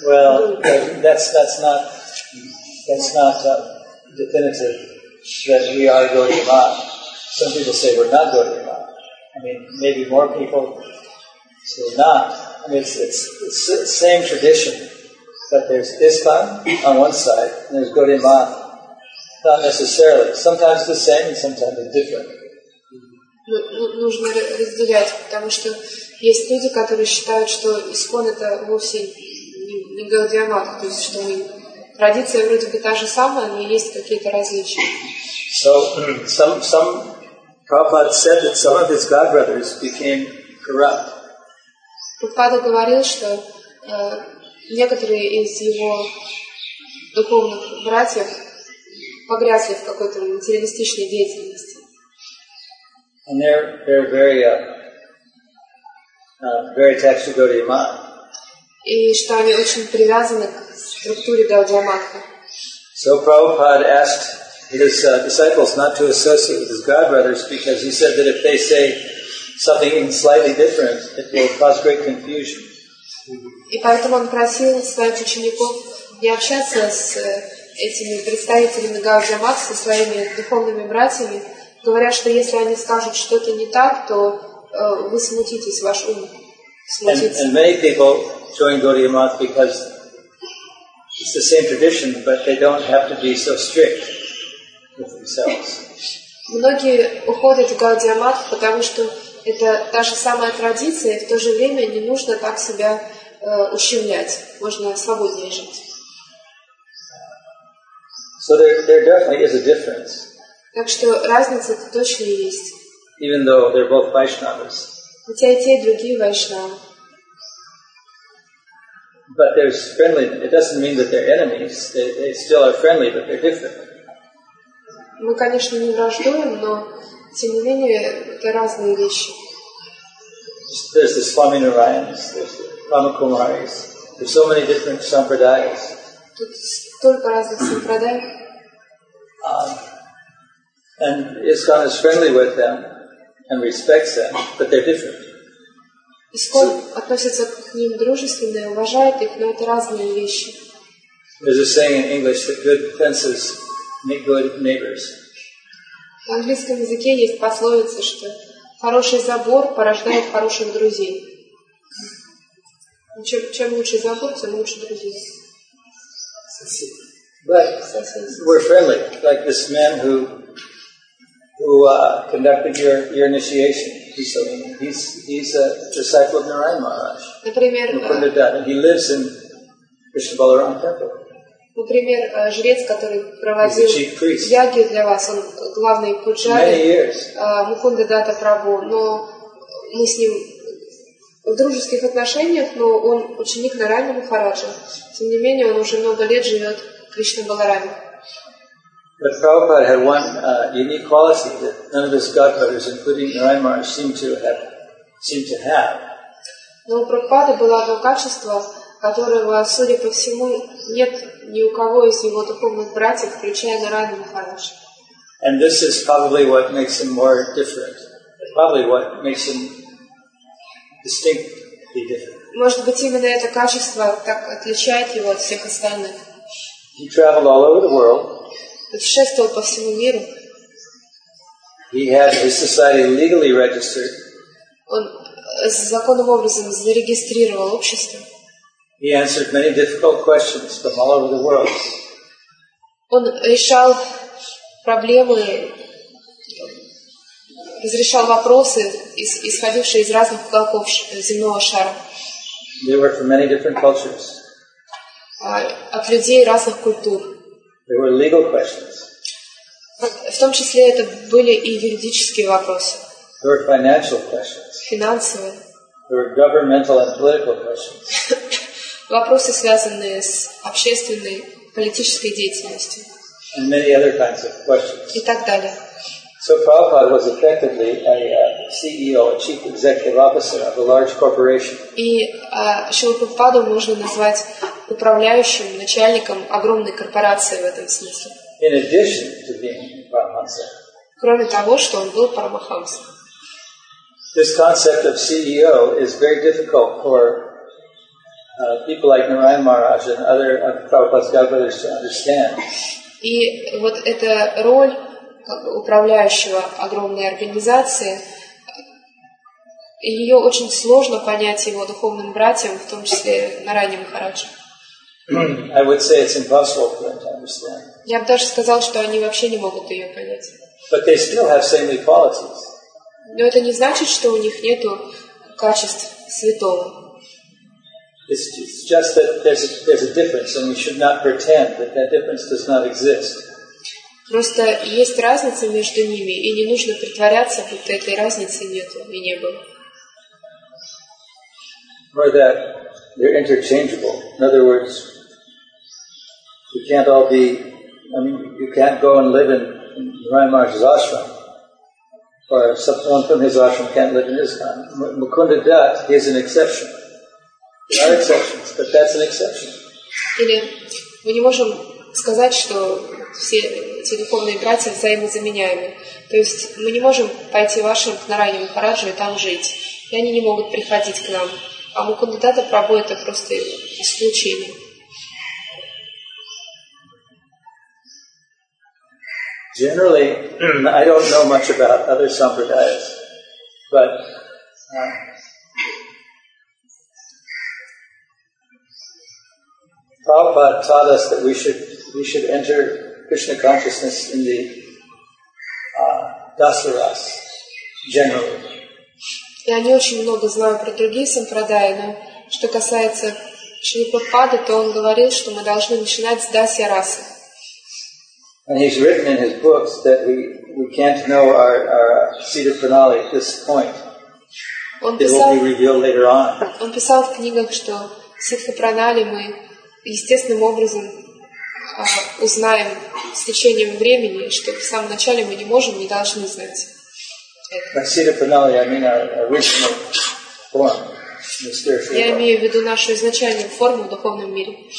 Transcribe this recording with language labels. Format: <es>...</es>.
<en>Well, that's not definitive that we are Gaudiya Math. Some people say we're not Gaudiya Math. I mean, maybe more people say we're not. I mean, it's the same tradition, but there's ISKCON on one side, and there's Gaudiya Math. Not necessarily. Sometimes the same, and sometimes it's different.</en> <ru>Нужно разделять, потому что есть люди, которые считают, что ISKCON это вовсе не Gaudiya Math, то есть что традиция вроде бы та же самая, но есть какие-то различия.</ru> <en>So, some Prabhupada said that some of his godbrothers became corrupt.</en> <ru>Прабхупада говорил, что некоторые из его духовных братьев погрязли в какой-то материалистичной деятельности.</ru> <en>And they're very attached to Gaudiya Math.</en> <ru>И что они очень привязаны к структуре Гаудия Матха.</ru> <en>So Prabhupada asked his disciples not to associate with his godbrothers because he said that if they say something even slightly different, it will cause great confusion.</en> <ru>И поэтому он просил своих учеников не общаться с этими представителями Гаудия со своими духовными братьями, говорят, что если они скажут что-то не так, то вы смутитесь, ваш ум смутится.</ru> <en>It's the same tradition, but they don't have to be so strict with themselves.</en> <ru>Многие уходят в Гаудия Матх, потому что это та же самая традиция, и в то же время не нужно так себя ущемлять. Можно свободнее жить.</ru> <en>So there definitely is a difference.</en> <ru>Так что разница -то точно есть.</ru> <en>Even though they're both Vaishnavas.</en> <ru>Хотя и те, и другие Вайшнавы.</ru> <en>But they're friendly. It doesn't mean that they're enemies. They still are friendly, but they're different.</en> <ru>Мы, конечно, не враждуем, но тем не менее это разные вещи.</ru> <en>There's the Swami Narayans, there's the Ramakumaris. There's so many different sampradayas.</en> <ru>Тут столько разных сампрадай.</ru> <en>And ISKCON is friendly with them and respects them, but they're different.</en> <ru>ИСКОН относится к ним дружественно и уважает их, но это разные вещи.</ru> <en>There's a saying in English that good fences make good neighbors.</en> <ru>В английском языке есть пословица, что хороший забор порождает хороших друзей. Чем лучше забор, тем лучше друзей.</ru> <en>But we're friendly, like this man who conducted your initiation. He's a disciple of Narayan Maharaj.</en> <ru>Например,</ru> <en>he lives in Krishna Balaram Temple.</en> <ru>Например, жрец, который проводил яги для вас, он главный пуджари Мукунда Дата Прабу, но мы с ним в дружеских отношениях, но он ученик Нарайана Махараджа. Тем не менее, он уже много лет живет в Кришна Баларами.</ru> <en>But Prabhupada had one unique quality that none of his godbrothers, including Narayan Maharaj, seemed to have.</en> <ru>Но у Прабхупады было одно качество, которого, судя по всему, нет ни у кого из его духовных братьев, включая Нарайана Махараджа.</ru> <en>And this is probably what makes him more different. Probably what makes him distinctly different.</en> <ru>Может быть, именно это качество так отличает его от всех остальных.</ru> <en>He traveled all over the world.</en> <ru>Путешествовал по всему миру.</ru> <en>He had his society legally registered.</en> <ru>Он законным образом зарегистрировал общество.</ru> <en>He answered many difficult questions from all over the world.</en> <ru>Он решал проблемы, разрешал вопросы, исходившие из разных уголков земного шара.</ru> <en>They were from many different cultures.</en> <ru>От людей разных культур.</ru> <en>There were legal questions.</en> <ru>В том числе это были и юридические вопросы.</ru> <en>There were financial questions.</en> <ru>Финансовые.</ru> <en>There were governmental and political questions.</en> <ru>Вопросы, связанные с общественной политической деятельностью.</ru> <en>And many other kinds of questions.</en> <ru>И так далее.</ru> <en>So Prabhupada was effectively a CEO, a chief executive officer of a large corporation.</en> <ru>И Шрила Прабхупаду можно назвать управляющим, начальником огромной корпорации в этом смысле.</ru> <en>In addition to being Paramahansa.</en> <ru>Кроме того, что он был Парамахамса.</ru> <en>This concept of CEO is very difficult for people like Narayan Maharaj and other Prabhupada's godbrothers to understand.</en> <ru>И вот эта роль управляющего огромной организации, ее очень сложно понять его духовным братьям, в том числе Нарайане Махараджа.</ru> <en>I would say it's impossible for them to understand.</en> <ru>Я бы даже сказал, что они вообще не могут ее понять.</ru> <en>But they still have saintly qualities.</en> <ru>Но это не значит, что у них нету качеств святого.</ru> <en>It's just that there's a difference, and we should not pretend that that difference does not exist.</en> <ru>Просто есть разница между ними, и не нужно притворяться, будто этой разницы нет и не было.</ru> <en>Or that they're interchangeable. In other words, you can't all be. I mean, you can't go and live in Narayan Maharaj's ashram, or someone from his ashram can't live in ISKCON. Mukunda Dutt is an exception. There are exceptions, but that's an exception.</en> <ru>Или мы не можем сказать, что все эти духовные братья взаимозаменяемы. То есть мы не можем пойти в ашрам к Нарайане Махараджу и там жить. И они не могут приходить к нам. А Мукунда Дата Прабху — это просто исключение.</ru> <en>Generally, I don't know much about other sampradayas, but Prabhupada taught us that we should enter Krishna consciousness in the dasaras, generally.</en> <ru>Я не очень много знаю про другие сампрадаи, но что касается Шри Прабхупады, то он говорил, что мы должны начинать с дасья расы.</ru> <en>And he's written in his books that we can't know our seated finale at this point. It will be revealed later on.</en> <ru>Он писал в книгах, что ситха пранали мы естественным образом узнаем с течением времени, что в самом начале мы не можем, не должны знать.</ru> <en>By seated finale, I mean our original form, the spiritual.</en> <ru>Я имею в виду нашу изначальную форму в духовном мире.</ru>